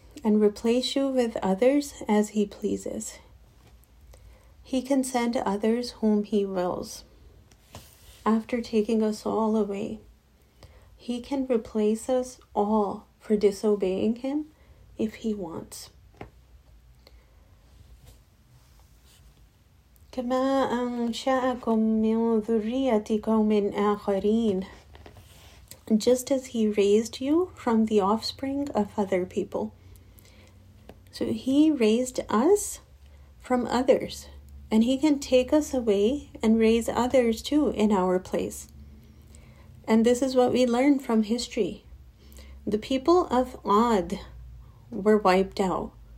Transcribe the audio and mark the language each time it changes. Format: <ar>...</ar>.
<en>And replace you with others as he pleases. He can send others whom he wills. After taking us all away, he can replace us all for disobeying him if he wants.</en> <ar>كما أنشأكم من ذرية قوم آخرين.</ar> <en>Just as he raised you from the offspring of other people. So he raised us from others. And he can take us away and raise others too in our place. And this is what we learn from history. The people of Ad were wiped out.</en>